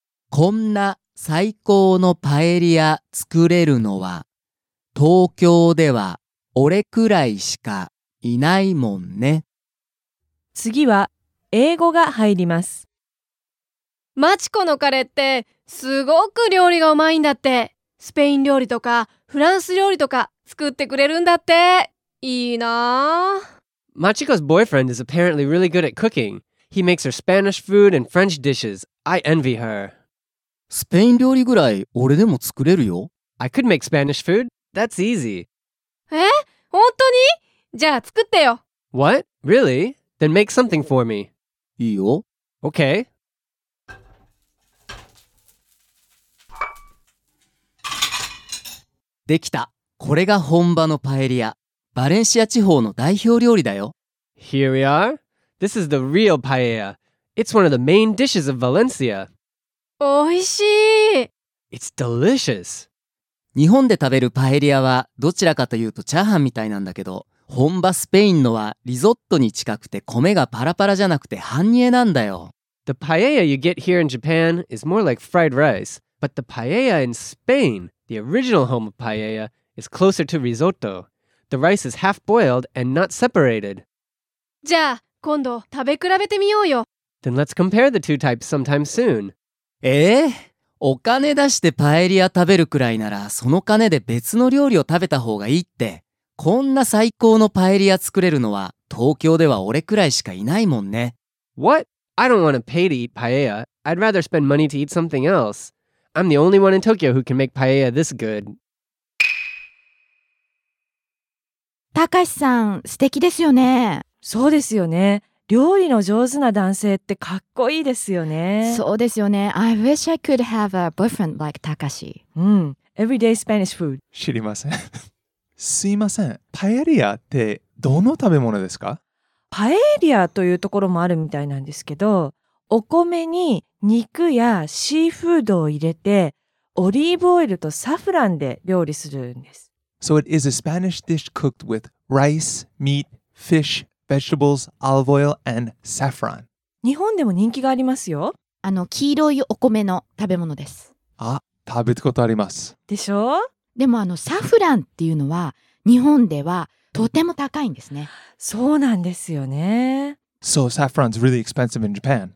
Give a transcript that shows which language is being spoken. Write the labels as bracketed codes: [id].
[ja] こんな最高のパエリア作れるのは東京では俺くらいしかいないもんね。次は英語が入ります。マチコのカレーってすごく料理がうまいんだって。スペイン料理とかフランス料理とか作ってくれるんだって。いいな。 [en] マチコ's boyfriend is apparently really good at cooking. He makes her Spanish food and French dishes. I envy her. [ja] スペイン料理ぐらい俺でも作れるよ。 [en] I could make Spanish food. That's easy. [ja] え、本当に？じゃあ作ってよ。 [en] What? Really? Then make something for me. [ja] いいよ。 [en] Okay. [ja] できた。これが本場のパエリア、バレンシア地方の代表料理だよ。 [en] Here we are. This is the real paella. It's one of the main dishes of Valencia. [ja] おいしい。 [en] It's delicious. [ja] 日本で食べるパエリアはどちらかというとチャーハンみたいなんだけど、本場スペインのはリゾットに近くて米がパラパラじゃなくて半煮えなんだよ。 [en] The paella you get here in Japan is more like fried rice, but the paella in Spain...The original home of paella is closer to risotto. The rice is half boiled and not separated. [ja] じゃあ、今度食べ比べてみようよ。 [en] Then let's compare the two types sometime soon. [ja] お金出してパエリア食べるくらいなら、その金で別の料理を食べた方がいいって。こんな最高のパエリア作れるのは、東京では俺くらいしかいないもんね。 [en] What? I don't want to pay to eat paella. I'd rather spend money to eat something else. I'm the only one in Tokyo who can make paella this good. [ja] たかしさん、素敵ですよね。そうですよね。料理の上手な男性ってかっこいいですよね。そうですよね。 [en] I wish I could have a boyfriend like Takashi. Everyday Spanish food. [ja] 知りません。すいません。パエリアってどの食べ物ですか？パエリアというところもあるみたいなんですけど、お米に肉やシーフードを入れて、オリーブオイルとサフランで料理するんです。 [en] So it is a Spanish dish cooked with rice, meat, fish,Vegetables, olive oil, and saffron. [ja] 日本でも人気がありますよ。あの黄色いお米の食べ物です。あ、食べたことあります。でしょ？でもあのサフランっていうのは日本ではとても高いんですね。そうなんですよね。 [en] So saffron's really expensive in Japan.